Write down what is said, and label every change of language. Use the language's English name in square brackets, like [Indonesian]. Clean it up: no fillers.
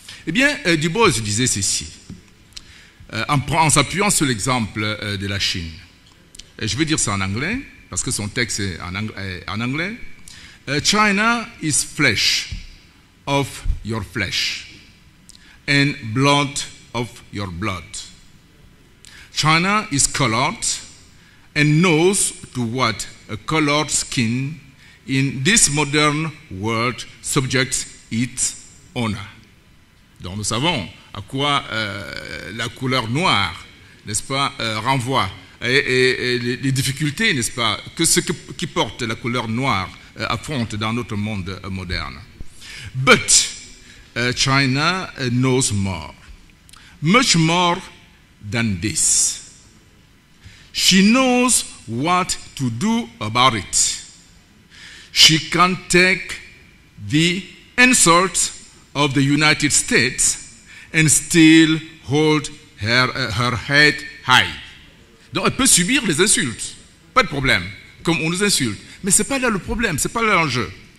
[French] Eh bien, Du Bois disait ceci, en s'appuyant sur l'exemple de la Chine. Et je vais dire ça en anglais, parce que son texte est en anglais. [English] China is flesh of your flesh and blood of your blood. China is colored and knows to what a colored skin in this modern world subjects its owner. [French] Donc nous savons à quoi la couleur noire, n'est-ce pas, renvoie et les difficultés, n'est-ce pas, qui porte la couleur noire affronte dans notre monde moderne. [English] But China knows more, much more than this. She knows what to do about it. She can take the insult of the United States and still hold her head high. [French] Donc elle peut subir les insultes, pas de problème, comme on nous insulte. Mais ce n'est pas là le problème, ce n'est pas là l'enjeu.